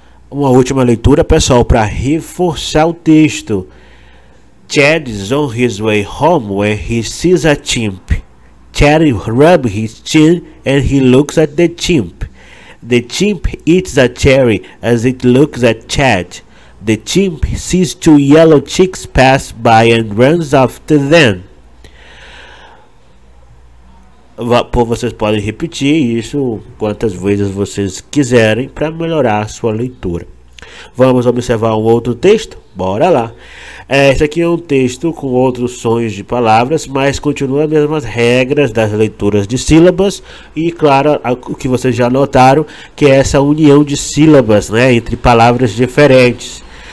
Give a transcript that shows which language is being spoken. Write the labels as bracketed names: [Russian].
[Portuguese] Uma última leitura, pessoal, para reforçar o texto. [English] Chad is on his way home when he sees a chimp. Chad rubs his chin and he looks at the chimp. The chimp eats a cherry as it looks at Chad. The chimp sees two yellow chicks pass by and runs after them. [Portuguese] Pô, vocês podem repetir isso quantas vezes vocês quiserem para melhorar a sua leitura. Vamos observar um outro texto? Bora lá. Esse aqui é um texto com outros sons de palavras, mas continua as mesmas regras das leituras de sílabas e, claro, o que vocês já notaram, que é essa união de sílabas, né, entre palavras diferentes.